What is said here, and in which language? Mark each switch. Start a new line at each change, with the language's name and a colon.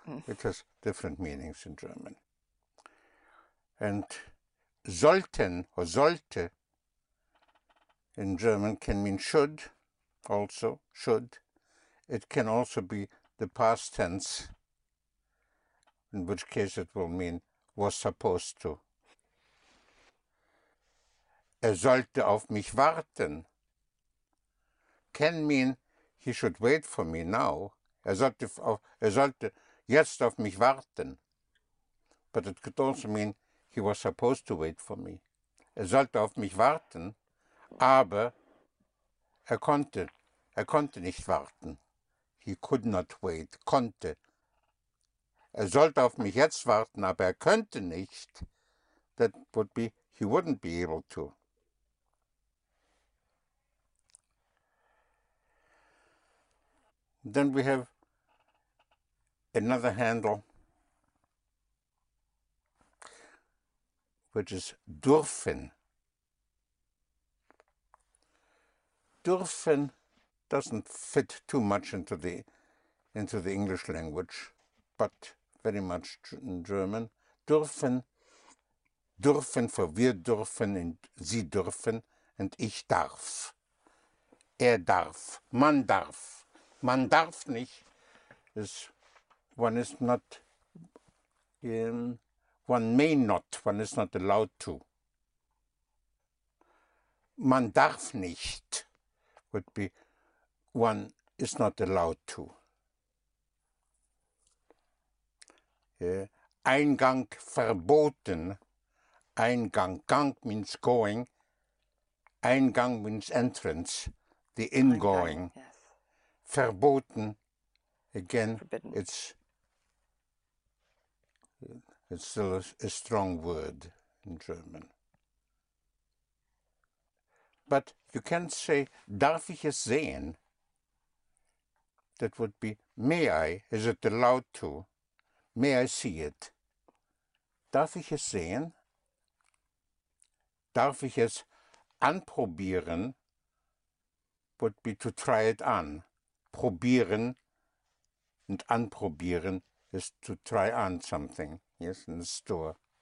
English: It has different meanings in German. And sollten or sollte in German can mean should, also should. It can also be the past tense, in which case it will mean was supposed to.
German: Er sollte auf mich warten.
English: Can mean he should wait for me now.
German: Er sollte jetzt auf mich warten.
English: But it could also mean he was supposed to wait for me.
German: Er sollte auf mich warten, aber er konnte nicht warten.
English: He could not wait,
German: konnte. Er sollte auf mich jetzt warten, aber er könnte nicht.
English: That would be, he wouldn't be able to. Then we have another handle, which is dürfen. Dürfen doesn't fit too much into the English language, but very much in German. Dürfen for wir dürfen and sie dürfen and ich darf.
German: Er darf. Man darf. Man darf nicht.
English: One is not allowed to.
German: Man darf nicht
English: would be one is not allowed to.
German: Eingang verboten. Eingang.
English: Gang means going. Eingang means entrance. The ingoing. Yes. Verboten. Again, forbidden. It's still a strong word in German. But you can say,
German: darf ich es sehen?
English: That would be, may I? Is it allowed to? May I see it?
German: Darf ich es sehen? Darf ich es anprobieren?
English: Would be to try it on. Probieren and anprobieren is to try on something, yes, in the store.